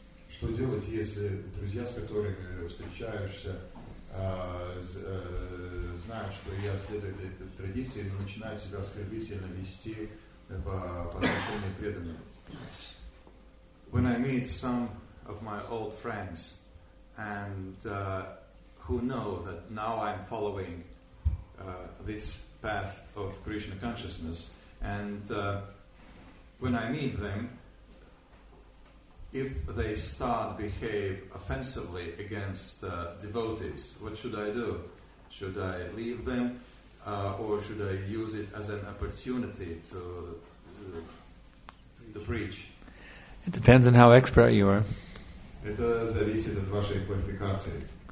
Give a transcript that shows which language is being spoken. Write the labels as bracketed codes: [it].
[ru] Что делать, если друзья, с которыми встречаешься, знают, что я следую этой традиции, но начинают себя оскорбительно вести по отношению к преданным? [en] when I meet some of my old friends and who know that now I'm following this path of Krishna consciousness, and when I meet them, if they start behave offensively against devotees, what should I do? Should I leave them, or should I use it as an opportunity to preach? It depends on how expert you are. [ru] Это зависит от вашей квалификации.